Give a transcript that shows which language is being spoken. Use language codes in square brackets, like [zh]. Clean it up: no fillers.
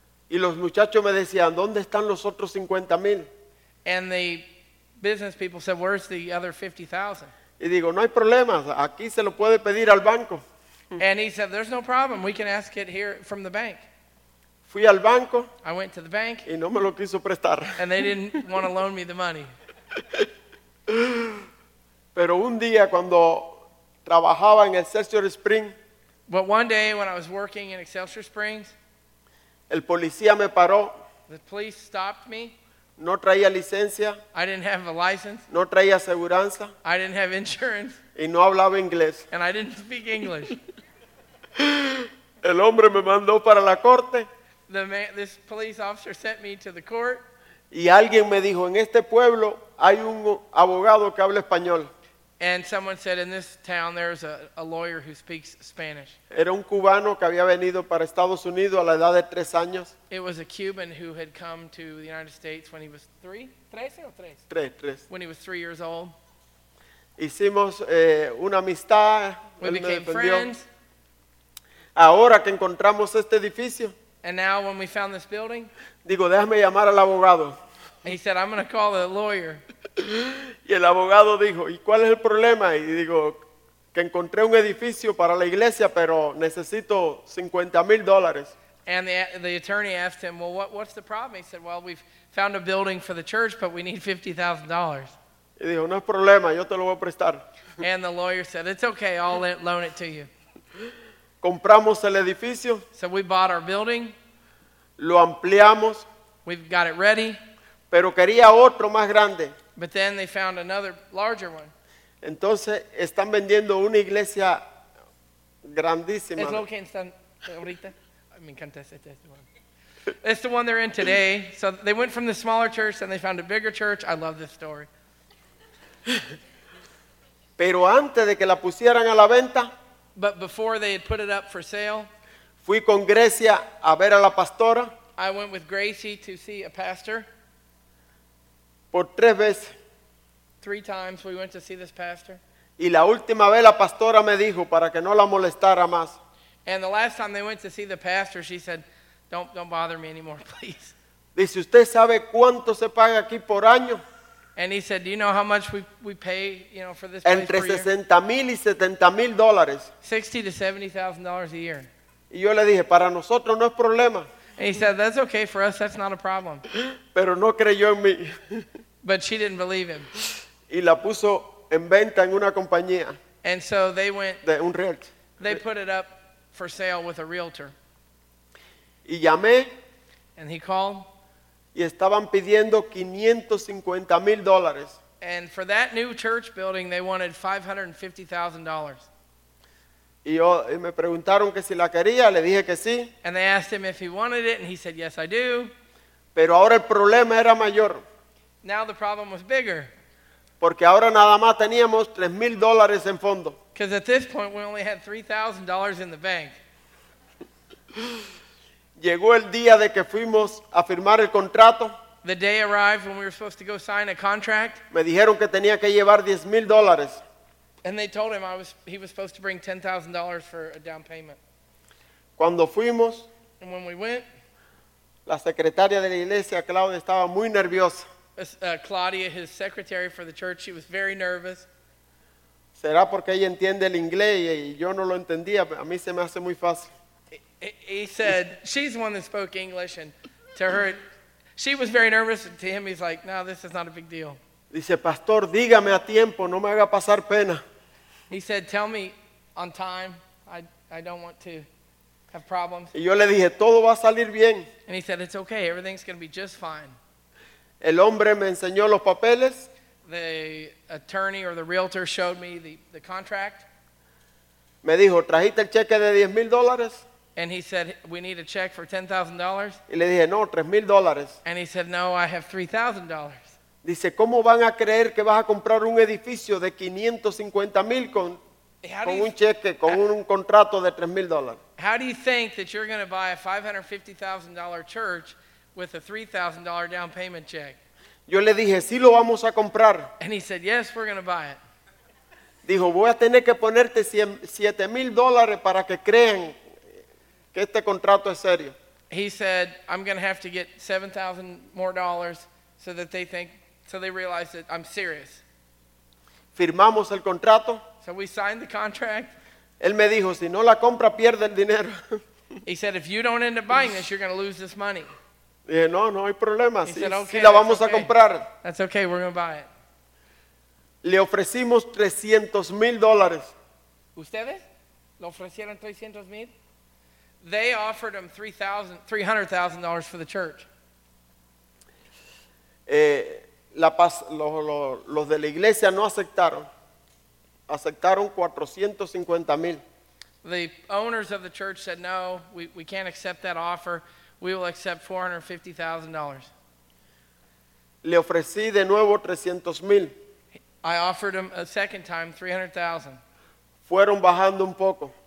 [es] Y los muchachos me decían, ¿dónde están los otros 50,000? [en] And the business people said, where's the other 50,000? [es] Y digo, no hay problema, aquí se lo puede pedir al banco. [en] And he said, there's no problem, we can ask it here from the bank. [es] Fui al banco. [en] I went to the bank. [es] Y no me lo quiso prestar. [en] And they didn't want to loan me the money. [es] Pero un día cuando trabajaba en Excelsior Springs. [en] But one day when I was working in Excelsior Springs. [es] El policía me paró. [en] The police stopped me. [es] No traía licencia. [en] I didn't have a license. [es] No traía aseguranza. [en] I didn't have insurance. [es] Y no hablaba inglés. [en] And I didn't speak English. [es] El hombre me mandó para la corte. [en] The man, this police officer sent me to the court. [es] Y alguien me dijo, en este pueblo hay un abogado que habla español. [en] And someone said, in this town there's a lawyer who speaks Spanish. [es] Era un cubano que había venido para Estados Unidos a la edad de 3 años. [en] It was a Cuban who had come to the United States when he was three. [es] ¿Trece o tres? Tres, tres. [en] When he was 3 years old. [es] Hicimos una amistad. [en] We became friends. [es] Ahora que encontramos este edificio. [en] And now when we found this building. [es] Digo, déjame llamar al abogado. [en] He said, I'm going to call the lawyer. [es] Y el abogado dijo, ¿y cuál es el problema? Y digo, que encontré un edificio para la iglesia, pero necesito $50,000. [en] And the attorney asked him, well, what's the problem? He said, well, we've found a building for the church, but we need $50,000. [es] Y dijo, no es problema, yo te lo voy a prestar. [en] And the lawyer said, it's okay, I'll loan it to you. [es] Compramos el edificio. [en] So we bought our building. [es] Lo ampliamos. [en] We've got it ready. [es] Pero quería otro más grande. [en] But then they found another larger one. [es] Entonces están vendiendo una iglesia grandísima. Es lo que están ahorita. Me encanta este one. [en] It's the one they're in today. So they went from the smaller church and they found a bigger church. I love this story. [es] Pero antes de que la pusieran a la venta. [en] But before they had put it up for sale. [es] Fui con Grecia a ver a la pastora. [en] I went with Gracie to see a pastor. [es] Por tres veces. [en] 3 times we went to see this pastor. [es] Y la última vez la pastora me dijo para que no la molestara más. [en] And the last time they went to see the pastor, she said, don't bother me anymore, please. [es] Dice, ¿usted sabe cuánto se paga aquí por año? [en] And he said, do you know how much we pay, you know, for this place per year? $60,000 to $70,000. $60,000 to $70,000 a year. [es] Y yo le dije, para nosotros no es problema. [en] And he said, that's okay for us, that's not a problem. [es] Pero no creyó en mí. [en] But she didn't believe him. [es] Y la puso en venta en una compañía. [en] And so they went, [es] de un realtor. [en] They put it up for sale with a realtor. [es] Y llamé. [en] And he called. [es] Y estaban pidiendo $550,000. [en] And for that new church building, they wanted $550,000. [es] Y me preguntaron que si la quería, le dije que sí. [en] And they asked him if he wanted it, and he said, yes, I do. [es] Pero ahora el problema era mayor. [en] Now the problem was bigger. [es] Porque ahora nada más teníamos $3,000 en fondo. [en] Because at this point, we only had $3,000 in the bank. [es] Llegó el día de que fuimos a firmar el contrato. [en] The day arrived when we were supposed to go sign a contract. [es] Me dijeron que tenía que llevar $10,000. [en] And they told him he was supposed to bring $10,000 for a down payment. [es] Cuando fuimos, [en] and when we went, [es] la secretaria de la iglesia, Claudia, estaba muy nerviosa. [en] Claudia, his secretary for the church, she was very nervous. [es] Será porque ella entiende el inglés y yo no lo entendía, a mí se me hace muy fácil. [en] he said, she's the one that spoke English, and to her, she was very nervous. And to him, he's like, no, this is not a big deal. [es] Dice, pastor, dígame a tiempo, no me haga pasar pena. [en] He said, tell me on time. I don't want to have problems. [es] Y yo le dije, todo va a salir bien. [en] And he said, it's okay, everything's going to be just fine. [es] El hombre me enseñó los papeles. [en] The attorney or the realtor showed me the contract. [es] Me dijo, ¿trajiste el cheque de $10,000? [en] And he said, we need a check for $10,000. [es] Y le dije, no, $3,000. [en] And he said, no, I have $3,000. [es] Dice, ¿cómo van a creer que vas a comprar un edificio de 550 mil con un cheque, con un contrato de $3,000? [en] How do you think that you're going to buy a $550,000 church with a $3,000 down payment check? [es] Yo le dije, sí lo vamos a comprar. [en] And he said, yes, we're going to buy it. [es] Dijo, voy a tener que ponerte $7,000 para que crean que este contrato es serio. [en] He said, I'm going to have to get $7,000 more so that they think, so they realize that I'm serious. [es] Firmamos el contrato. [en] So we signed the contract. [es] Él me dijo, si no la compra, pierde el dinero. [en] He said, if you don't end up buying this, you're going to lose this money. [es] Dije, no, no hay problema, sí la vamos [en] okay. [es] a comprar. [en] That's okay, we're going to buy it. [es] Le ofrecimos $300,000. ¿Ustedes? ¿Le ofrecieron $300,000? [en] They offered him $300,000 for the church. [es] Los de la iglesia no aceptaron. Aceptaron $450,000. [en] The owners of the church said, no, we can't accept that offer. We will accept $450,000. [es] Le ofrecí de nuevo 300,000. [en] I offered him a second time 300,000. [es] Fueron bajando un poco.